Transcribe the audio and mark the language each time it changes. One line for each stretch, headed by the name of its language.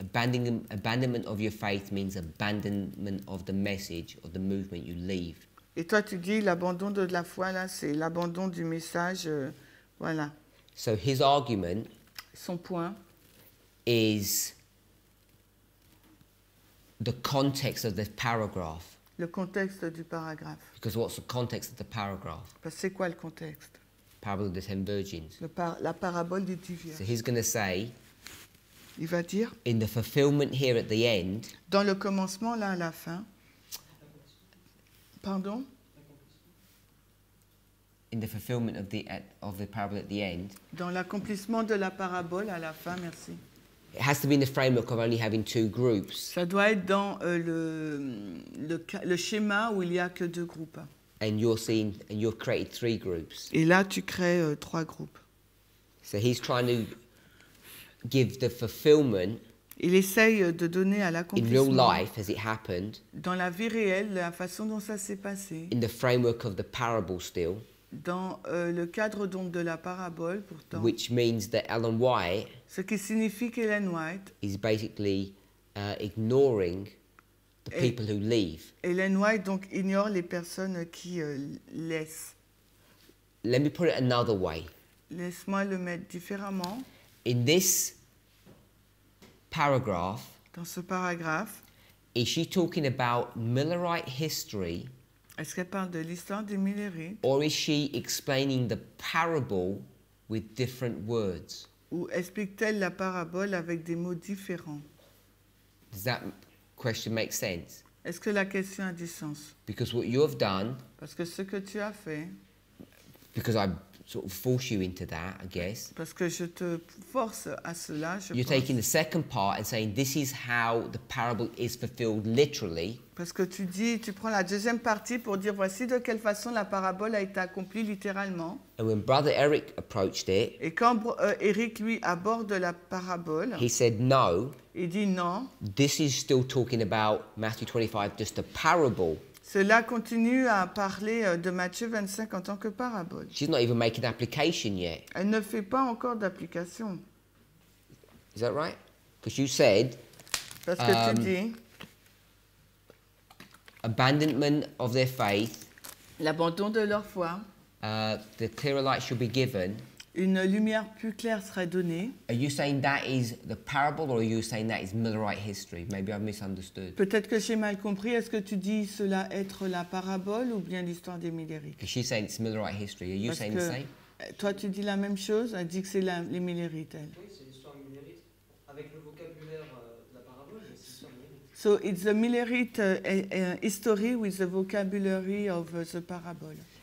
English: Abandonment of your faith means abandonment of the message or the movement you leave.
French: Et toi, tu dis l'abandon de la foi, là, c'est l'abandon du message, voilà.
English: So his argument,
French: son point,
English: is the context of the paragraph.
French: Le contexte du paragraphe.
English: Because what's the context of the paragraph?
French: Parce que c'est quoi le contexte?
English: Parable of the ten virgins.
French: La parabole des dix vierges.
English: So he's going to say,
French: il va dire,
English: in the fulfillment here at the end,
French: dans le commencement, là, à la fin, pardon?
English: In the fulfillment of the parable at the end.
French: Dans l'accomplissement de la parabole à la fin, merci.
English: It has to be in the framework of only having two groups.
French: Ça doit être dans le schéma où il y a que deux groupes.
English: And you've created three groups.
French: Et là, tu crées trois groupes.
English: So he's trying to give the fulfillment.
French: Il essaye de donner à l'accomplissement.
English: In real life, as it happened.
French: Dans la vie réelle, la façon dont ça s'est passé.
English: In the framework of the parable, still.
French: Dans le cadre donc de la parabole, pourtant.
English: Which means that Ellen White.
French: Ce qui signifie qu'Ellen White.
English: Is basically ignoring the people who leave.
French: Ellen White donc ignore les personnes qui laissent.
English: Let me put it another way.
French: Laisse-moi le mettre différemment.
English: In this paragraph,
French: dans ce paragraphe,
English: is she talking about Millerite history?
French: Est-ce qu'elle parle de l'histoire des Millerites?
English: Or is she explaining the parable with different words?
French: Ou explique-t-elle la parabole avec des mots différents?
English: Does that question make sense?
French: Est-ce que la question a du sens?
English: Because what you have done.
French: Parce que ce que tu as fait.
English: Because I sort of force you into that, I guess.
French: Parce que je te force à cela, je
English: You're taking the second part and saying this is how the parable is fulfilled literally.
French: Parce que tu dis, tu prends la deuxième partie pour dire voici de quelle façon la parabole a été accomplie littéralement.
English: And when Brother Eric approached it,
French: et quand Eric lui aborde la parabole,
English: he said no.
French: Il dit non.
English: This is still talking about Matthew 25, just a parable.
French: Cela continue à parler de Matthieu 25 en tant que parabole.
English: She's not even making application yet.
French: Elle ne fait pas encore d'application.
English: Is that right? Because you said.
French: Parce que tu dis.
English: Abandonment of their faith.
French: L'abandon de leur foi.
English: The clearer light should be given.
French: Une lumière plus claire serait donnée.
English: Are you saying that is the parable or are you saying that is Millerite history? Maybe I've misunderstood.
French: Peut-être que j'ai mal compris. Est-ce que tu dis cela être la parabole ou bien l'histoire des Millerites?
English: Because she's saying it's Millerite history. Are you
French: Parce
English: saying
French: que
English: the same?
French: Toi, tu dis la même chose. Elle dit que c'est les Millerites, elle. Oui, c'est l'histoire des Millerites. Avec le vocabulaire de la parabole, mais c'est l'histoire des Millerites.
English: So it's the Millerite history with the vocabulary of the parable.